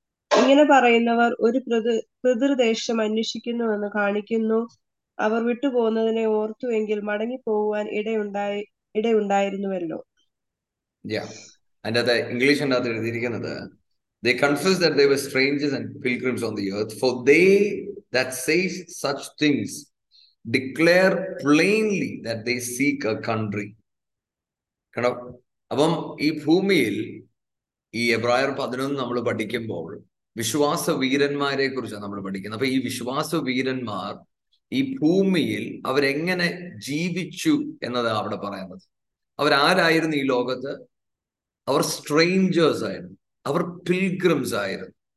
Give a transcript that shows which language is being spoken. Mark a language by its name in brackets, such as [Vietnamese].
[Malayalam] ഇങ്ങനെ പറയുന്നവർ ഒരു പിതൃദേശം അന്വേഷിക്കുന്നുവെന്ന് കാണിക്കുന്നു. അവർ വിട്ടുപോകുന്നതിനെ ഓർത്തുവെങ്കിൽ മടങ്ങിപ്പോകുവാൻ ഇടയുണ്ടായിരുന്നുവല്ലോ. അതിന്റെ അത് ഇംഗ്ലീഷിന്റെ അകത്ത് എഴുതിയിരിക്കുന്നത് [English] they confess that they were strangers and pilgrims on the earth, for they that say such things declare plainly that they seek a country. [Malayalam] കണ്ടോ? അപ്പം ഈ ഭൂമിയിൽ ഈ എബ്രായർ 11 നമ്മൾ പഠിക്കുമ്പോൾ വിശ്വാസ വീരന്മാരെ കുറിച്ചാണ് നമ്മൾ പഠിക്കുന്നത്. അപ്പൊ ഈ വിശ്വാസ വീരന്മാർ ഈ ഭൂമിയിൽ അവരെങ്ങനെ ജീവിച്ചു എന്നത് അവിടെ പറയുന്നത്. അവരാരായിരുന്നു ഈ ലോകത്ത്? അവർ സ്ട്രേഞ്ചേഴ്സ് ആയിരുന്നു, അവർ പിൽഗ്രിംസ് ആയിരുന്നു.